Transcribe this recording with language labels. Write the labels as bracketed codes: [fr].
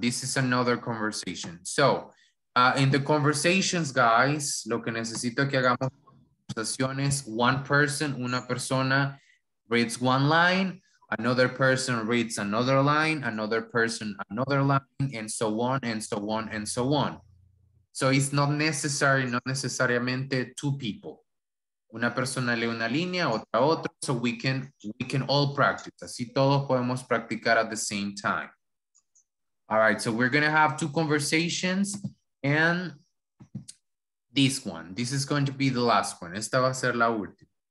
[en] This is another conversation. So, in the conversations, guys, [es] lo que necesito que hagamos conversaciones, [en] one person, [es] una persona [en] reads one line, another person reads another line, another person another line, and so on, and so on, and so on. So it's not necessary, not necesariamente two people. [es] Una persona lee una línea, otra otra, [en] so we can all practice. [es] Así todos podemos practicar [en] at the same time. All right, so we're gonna have two conversations and this one. This is going to be the last one. [es] Esta va a ser la última.